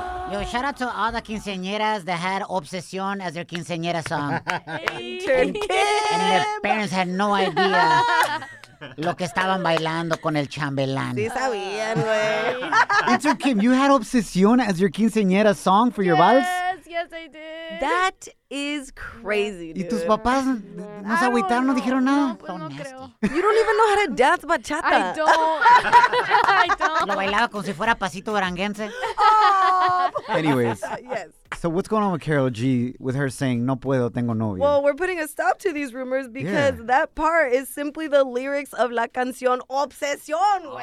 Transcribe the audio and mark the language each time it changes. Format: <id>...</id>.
<en>Yo, shout out to all the quinceañeras that had Obsesión as their quinceañera song. And their parents had no idea</en> <es>lo que estaban bailando con el chambelán. Sí sabían, güey.</es> <en>It's okay. You had Obsesión as your quinceañera song for yes, your vals? Yes, I did. That is crazy, dude.</en> <es>¿Y tus papás no se agüitaron, no dijeron nada? No, pues no creo.</es> <en>You don't even know how to dance bachata. I don't.</en> <es>Lo bailaba como si fuera pasito duranguense.</es> <en>Oh. Anyways. Yes. So what's going on with Karol G with her saying,</en> <es>no puedo, tengo novio?</es> <en>Well, we're putting a stop to these rumors because yeah. that part is simply the lyrics of la canción Obsesión. Oh.</en>